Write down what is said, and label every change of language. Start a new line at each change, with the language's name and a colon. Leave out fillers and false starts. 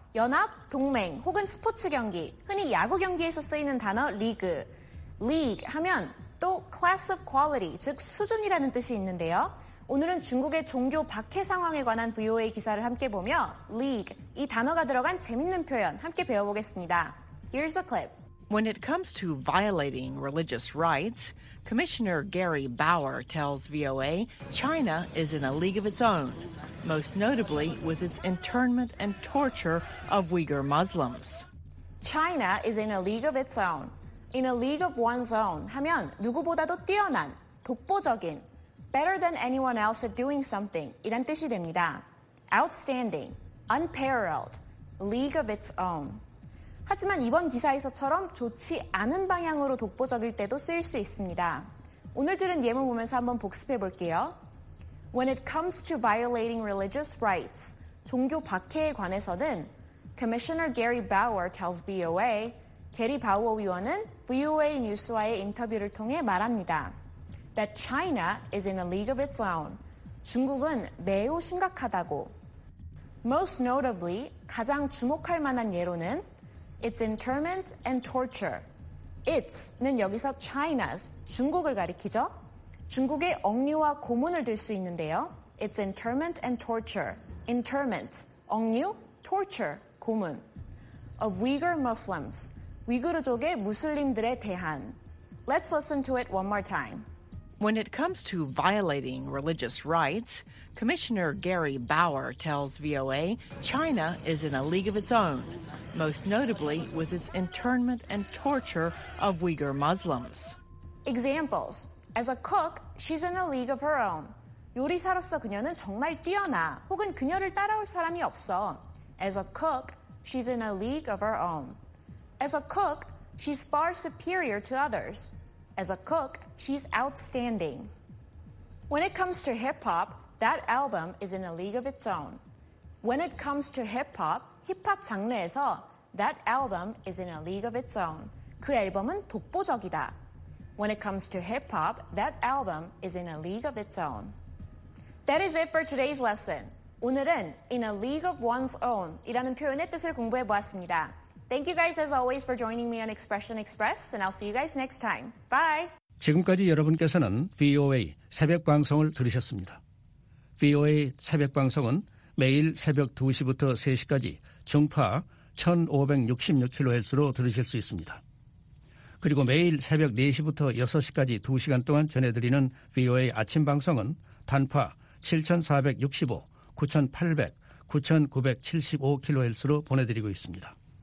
Korean: 연합, 동맹 혹은 스포츠 경기, 흔히 야구 경기에서 쓰이는 단어 리그. League 하면 또
English: class of quality,
Korean: 즉 수준이라는 뜻이 있는데요. 오늘은 중국의 종교 박해 상황에 관한 VOA 기사를 함께 보며 League, 이 단어가 들어간 재밌는 표현 함께 배워보겠습니다.
English: Here's a clip. When it comes to violating religious rights, Commissioner Gary Bauer tells VOA China is in a league of its own, most notably with its internment and torture of Uyghur Muslims. China is in a league of its own. In a league of one's own
Korean: 하면 누구보다도 뛰어난, 독보적인,
English: better than anyone else at doing something
Korean: 이란 뜻이 됩니다.
English: Outstanding, unparalleled, league of its own.
Korean: 하지만 이번 기사에서처럼 좋지 않은 방향으로 독보적일 때도 쓰일 수 있습니다. 오늘 들은 예문 보면서 한번 복습해 볼게요.
English: When it comes to violating religious rights,
Korean: 종교 박해에 관해서는
English: Commissioner Gary Bauer tells VOA,
Korean: 게리 바우어 위원은 VOA 뉴스와의 인터뷰를 통해 말합니다.
English: That China is in a league of its own.
Korean: 중국은 매우 심각하다고.
English: Most notably,
Korean: 가장 주목할 만한 예로는
English: its internment and torture.
Korean: its는 여기서 China's, 중국을 가리키죠. 중국의 억류와 고문을 들 수 있는데요.
English: its internment and torture. internment,
Korean: 억류,
English: torture,
Korean: 고문.
English: of Uyghur Muslims,
Korean: 위구르족의 무슬림들에 대한.
English: Let's listen to it one more time. When it comes to violating religious rights, Commissioner Gary Bauer tells VOA China is in a league of its own, most notably with its internment and torture of Uyghur Muslims. Examples. As a cook, she's in a league of her own.
Korean: 요리사로서 그녀는 정말 뛰어나, 혹은 그녀를 따라올 사람이 없어.
English: As a cook, she's in a league of her own. As a cook, she's far superior to others. As a cook, she's outstanding. When it comes to hip-hop, that album is in a league of its own. When it comes to hip-hop,
Korean: 힙합 장르에서
English: that album is in a league of its own.
Korean: 그 앨범은 독보적이다.
English: When it comes to hip-hop, that album is in a league of its own. That is it for today's lesson.
Korean: 오늘은
English: in a league of one's own
Korean: 이라는 표현의 뜻을 공부해 보았습니다.
English: Thank you guys as always for joining me on Expression Express and I'll see you guys next time. Bye!
Korean: 지금까지 여러분께서는 VOA 새벽 방송을 들으셨습니다. VOA 새벽 방송은 매일 새벽 2시부터 3시까지 중파 1566kHz로 들으실 수 있습니다. 그리고 매일 새벽 4시부터 6시까지 2시간 동안 전해드리는 VOA 아침 방송은 단파 7465, 9800, 9975kHz로 보내드리고 있습니다.